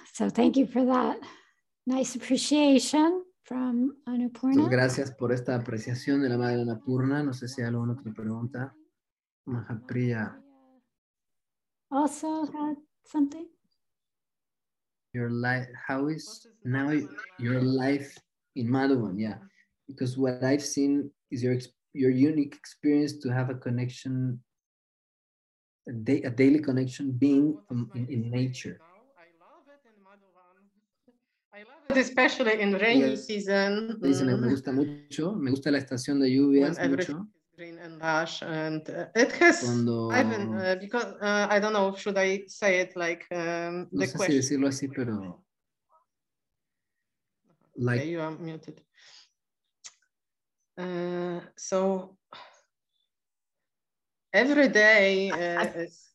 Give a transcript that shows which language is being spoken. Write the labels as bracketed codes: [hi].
[en] So thank you for that nice appreciation from Annapurna. [es] Pues gracias por esta apreciación de la madre Annapurna. No sé si hay alguna otra pregunta. Mahapriya. [en] Also had something. Your life, how is now your life in Madhuban? Yeah, because what I've seen is your unique experience to have a connection, a daily connection being in nature. I love it in Madhuban. I love it especially in rainy season. [es] Dicen, me gusta mucho, me gusta la estación de lluvias mucho. [en] Green and lush, and it has. I don't know, should I say it like the question? [es] No sé si decirlo así, pero. [en] Like. Okay, you are muted. So every day.